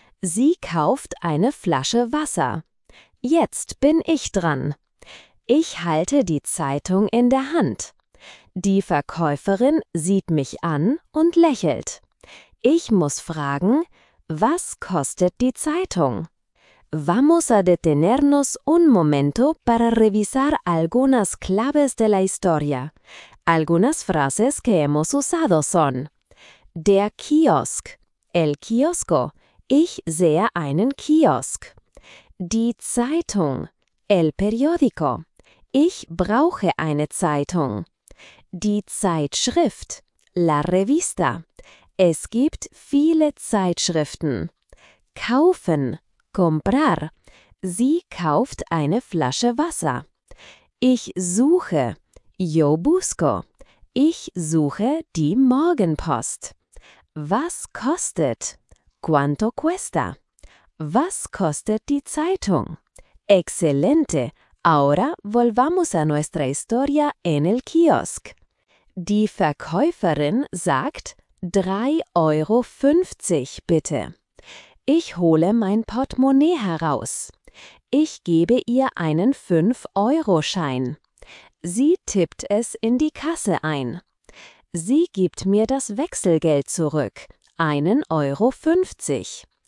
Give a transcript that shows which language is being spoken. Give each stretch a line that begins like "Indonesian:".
German: Sie kauft eine Flasche Wasser. Jetzt bin ich dran. Ich halte die Zeitung in der Hand. Die Verkäuferin sieht mich an und lächelt. Ich muss fragen, was kostet die Zeitung?
Spanish: Vamos a detenernos un momento para revisar algunas claves de la historia. Algunas frases que hemos usado son:
German: Der Kiosk,
Spanish: el kiosco,
German: ich sehe einen Kiosk. Die Zeitung,
Spanish: el periódico,
German: ich brauche eine Zeitung. Die Zeitschrift,
Spanish: la revista,
German: es gibt viele Zeitschriften. Kaufen,
Spanish: comprar,
German: sie kauft eine Flasche Wasser. Ich suche,
Spanish: yo busco,
German: ich suche die Morgenpost. Was kostet?
Spanish: Quanto cuesta?
German: Was kostet die Zeitung?
Spanish: Excelente! Ahora volvamos a nuestra historia en el kiosk.
German: Die Verkäuferin sagt 3,50 Euro bitte. Ich hole mein Portemonnaie heraus. Ich gebe ihr einen 5-Euro-Schein. Sie tippt es in die Kasse ein. Sie gibt mir das Wechselgeld zurück, 1,50 Euro.